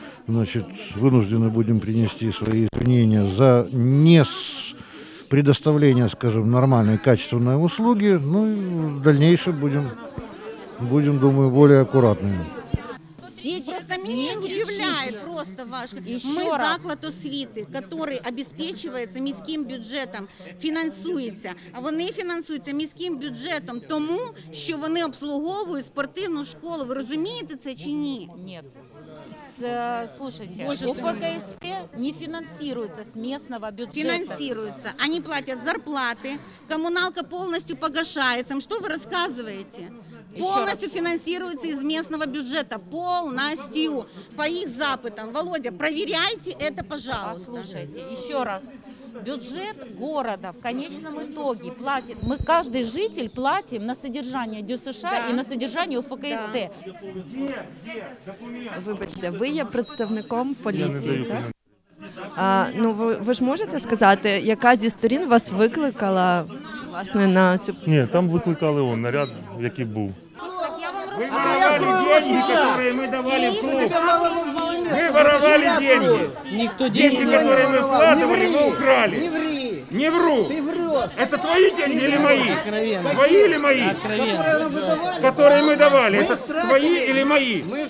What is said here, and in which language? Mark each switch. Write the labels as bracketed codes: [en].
[ru] Значит, вынуждены будем принести свои извинения за не предоставление, скажем, нормальной качественной услуги. Ну и в дальнейшем будем, думаю, более аккуратными. Просто меня удивляет просто ваш. [uk] Мы заклад освіти, [ru] который обеспечивается [uk] міським бюджетом, фінансується. А вони фінансуються міським бюджетом тому, що вони обслуговують спортивну школу. Ви розумієте це чи ні? Ні. [ru] Слушайте, УФКСТ не финансируется с местного бюджета. Финансируется. Они платят зарплаты, коммуналка полностью погашается. Что вы рассказываете? Полностью финансируется из местного бюджета. Полностью. По их запытам. Володя, проверяйте это, пожалуйста. Послушайте, еще раз. Бюджет города в конечном итоге платит, мы каждый житель платим на содержание ДЮСШ, да, и на содержание УФКСТ. Да. [uk] Вибачте, ви є представником поліції, так? Ну, ви ж можете сказати, яка зі сторін вас викликала, власне, на цю... Ні, там викликали он, наряд, який був. [ru] Ви воровали деньги, которые мы давали в клуб. Вы воровали деньги. Никто деньги, которые мы вкладывали, вы украли. Не ври. Не вру. Ты врешь. Это твои деньги или мои? Откровенно. Твои или мои? Откровенно. Которые мы давали. Это твои или мои?